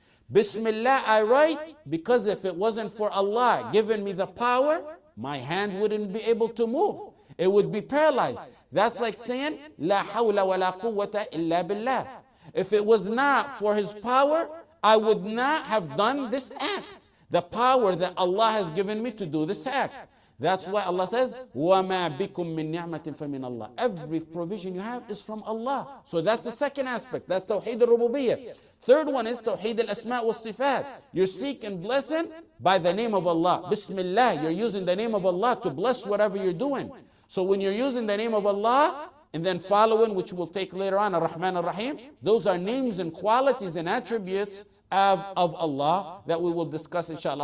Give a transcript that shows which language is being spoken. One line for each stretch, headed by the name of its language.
English: Bismillah, I write, because if it wasn't for Allah giving me the power, my hand wouldn't be able to move. It would be paralyzed. That's like saying,
Arabic: La hawla wa la quwwata illa billah.
English: If it was not for His power, I would not have done this act. The power that Allah has given me to do this act. That's why Allah says,
Arabic: وَمَا بِكُم مِّن نِعْمَةٍ فَمِنَ اللَّهِ.
English: Every provision you have is from Allah. So that's the second aspect. That's Tawheed al-Rububiyyah. Third one is Tawheed al-Asma' wa-Sifat. You're seeking blessing by the name of Allah. Bismillah, you're using the name of Allah to bless whatever you're doing. So when you're using the name of Allah, and then following, which we'll take later on, Ar-Rahman Ar-Rahim, those are names and qualities and attributes of Allah that we will discuss, inshallah.